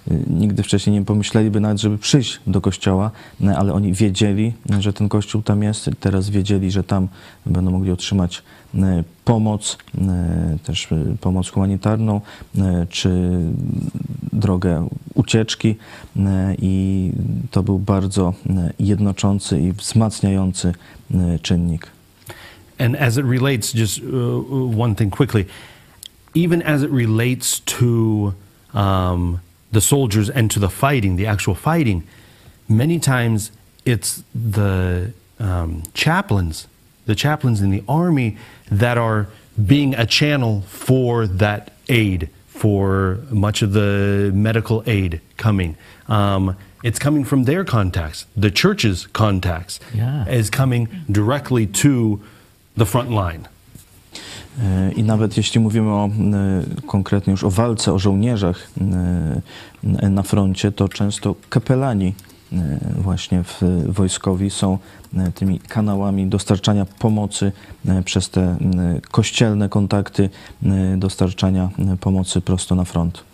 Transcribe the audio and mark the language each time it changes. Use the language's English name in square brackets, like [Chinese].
[Polish] nigdy wcześniej nie pomyśleliby nawet, żeby przyjść do Kościoła, ale oni wiedzieli, że ten Kościół tam jest, teraz wiedzieli, że tam będą mogli otrzymać pomoc, też pomoc humanitarną, czy drogę ucieczki i to był bardzo jednoczący i wzmacniający czynnik. [English] And as it relates, just one thing quickly, even as it relates to the soldiers and to the fighting, the actual fighting, many times it's the chaplains in the army that are being a channel for that aid, for much of the medical aid coming. It's coming from their contacts. The church's contacts is coming directly to the front line. [Polish] I nawet jeśli mówimy o konkretnie już o walce, o żołnierzach na froncie, to często kapelani właśnie w wojskowi są tymi kanałami dostarczania pomocy przez te kościelne kontakty, dostarczania pomocy prosto na front.